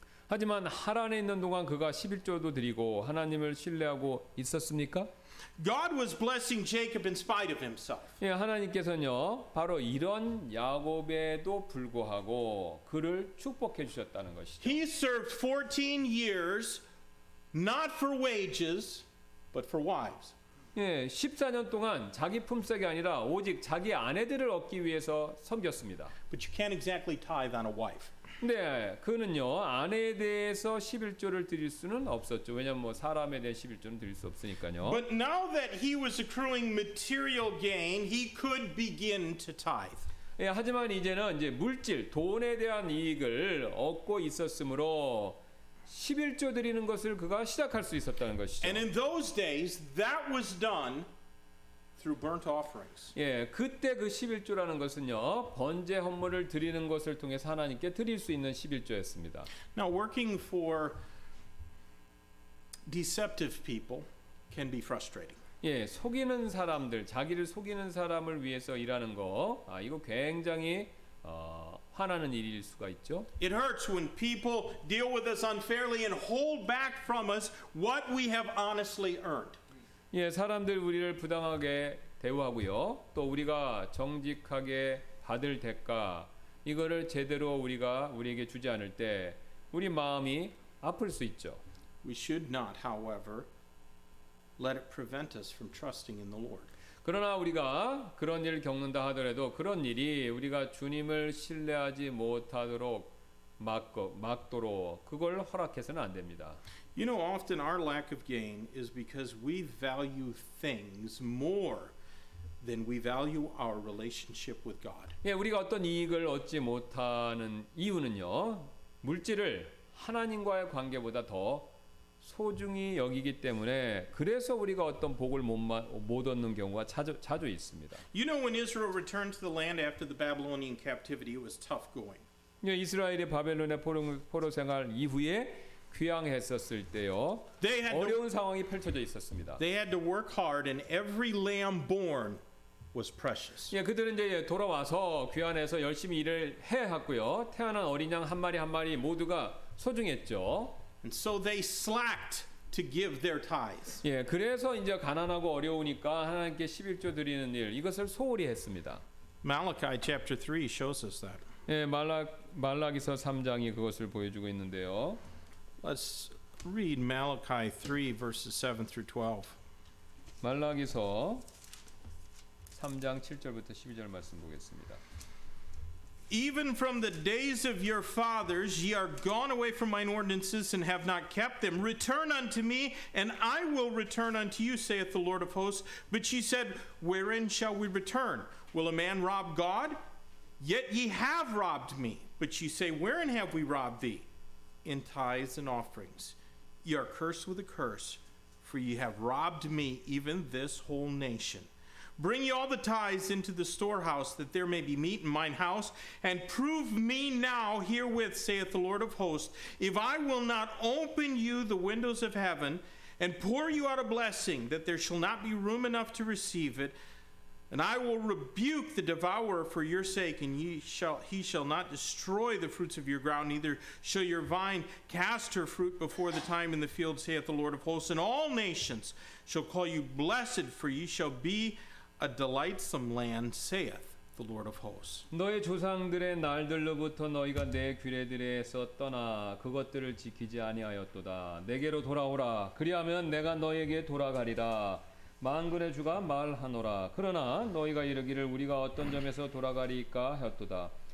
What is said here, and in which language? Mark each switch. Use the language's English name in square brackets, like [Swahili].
[Korean] 하지만 하란에 있는 동안 그가 십일조도 드리고 하나님을 신뢰하고 있었습니까? [English] God was blessing Jacob in spite of himself. [Korean] 예, 하나님께서는요, 바로 이런 야곱에도 불구하고 그를 축복해 주셨다는 것이죠. [English] He served 14 years not for wages, but for wives. [Korean] 예, 14년 동안 자기 품삯이 아니라 오직 자기 아내들을 얻기 위해서 섬겼습니다. [English] But you can't exactly tithe on a wife. [Korean] 네, 그는요 아내에 대해서 십일조를 드릴 수는 없었죠. 왜냐면 뭐 사람에 대해 십일조는 드릴 수 없으니까요. [English] But now that he was accruing material gain, he could begin to tithe. [Korean] 예, 하지만 이제는 이제 물질, 돈에 대한 이익을 얻고 있었으므로 십일조 드리는 것을 그가 시작할 수 있었다는 것이죠. [English] And in those days, that was done through burnt offerings. [Korean] 예, 그때 그 십일조라는 것은요 번제 헌물을 드리는 것을 통해 하나님께 드릴 수 있는 십일조였습니다. [English] Now working for deceptive people can be frustrating. [Korean] 예, 속이는 사람들, 자기를 속이는 사람을 위해서 일하는 거, 아, 이거 굉장히 화나는 일일 수가 있죠. [English] It hurts when people deal with us unfairly and hold back from us what we have honestly earned. [Korean] 예, 사람들 우리를 부당하게 대우하고요. 또 우리가 정직하게 받을 대가 이거를 제대로 우리가 우리에게 주지 않을 때 우리 마음이 아플 수 있죠. [English] We should not, however, let it prevent us from trusting in the Lord. [Korean] 그러나 우리가 그런 일을 겪는다 하더라도 그런 일이 우리가 주님을 신뢰하지 못하도록 막도록 그걸 허락해서는 안 됩니다. [English] You know, often our lack of gain is because we value things more than we value our relationship with God. [Korean] 예, 우리가 어떤 이익을 얻지 못하는 이유는요, 물질을 하나님과의 관계보다 더 소중히 여기기 때문에 그래서 우리가 어떤 복을 못 얻는 경우가 자주 있습니다. [English] You know, when Israel returned to the land after the Babylonian captivity, it was tough going. [Korean] 예, 이스라엘의 바벨론의 포로 생활 이후에 귀향했었을 때요 어려운 상황이 펼쳐져 있었습니다. [English] They had to work hard, and every lamb born was precious. [Korean] 예, 그들은 이제 돌아와서 귀환해서 열심히 일을 해왔고요. 태어난 어린 양 한 마리 한 마리 모두가 소중했죠. [English] And so they slacked to give their tithes. [Korean] 예, 그래서 이제 가난하고 어려우니까 하나님께 십일조 드리는 일 이것을 소홀히 했습니다. [English] Malachi chapter 3 shows us that. [Korean] 예, 말라기서 3장이 그것을 보여주고 있는데요. [English] Let's read Malachi 3 verses 7 through 12. [Korean] 말라기서 3장 7절부터 12절 말씀 보겠습니다. [English] Even from the days of your fathers, ye are gone away from mine ordinances and have not kept them. Return unto me, and I will return unto you, saith the Lord of hosts. But she said, Wherein shall we return? Will a man rob God? Yet ye have robbed me. But ye say, Wherein have we robbed thee? In tithes and offerings. Ye are cursed with a curse, for ye have robbed me, even this whole nation. Bring ye all the tithes into the storehouse, that there may be meat in mine house, and prove me now herewith, saith the Lord of hosts, if I will not open you the windows of heaven, and pour you out a blessing, that there shall not be room enough to receive it, and I will rebuke the devourer for your sake, and he shall not destroy the fruits of your ground, neither shall your vine cast her fruit before the time in the field, saith the Lord of hosts, and all nations shall call you blessed, for ye shall be A delightsome land, saith the Lord of hosts. [Korean] 너희 조상들의 날들로부터 너희가 내 규례들에서 떠나 그것들을 지키지 아니하였도다. 내게로 돌아오라. 그리하면 내가 너희에게 돌아가리라. 만군의 주가 말하노라. 그러나 너희가 이르기를 우리가 어떤 점에서 돌아가리까 하였도다.